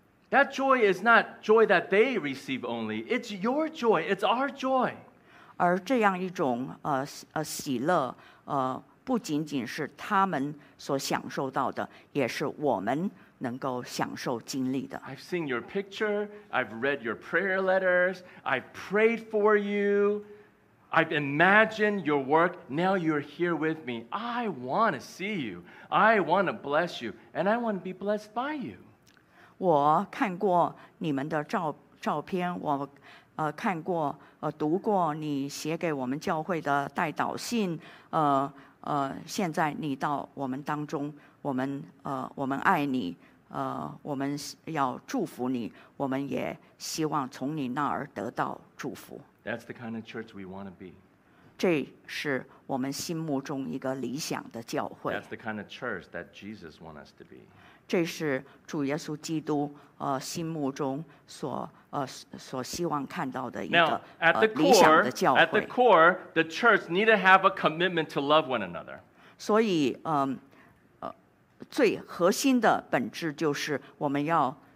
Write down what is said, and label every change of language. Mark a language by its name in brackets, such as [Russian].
[English] That joy is not joy that they receive only. It's your joy. It's our joy. [Chinese] 而这样一种喜乐不仅仅是他们所享受到的，也是我们能够享受经历的。 [English] I've seen your picture. I've read your prayer letters. I've prayed for you. I've imagined your work. Now you're here with me. I want to see you. I want to bless you. And I want to be blessed by you. [Chinese] 我看过你们的照片，我看过读过你写给我们教会的代祷信，现在你到我们当中，我们爱你，我们要祝福你，我们也希望从你那儿得到祝福。 [English] That's the kind of church we want to be. [Chinese] 这是我们心目中一个理想的教会。 [English] That's the kind of church that Jesus wants us to be. [Chinese] 这是主耶稣基督心目中所希望看到的一个理想的教会。 [English] At the core, the church need to have a commitment to love one another. [Chinese] 所以最核心的本质就是我们要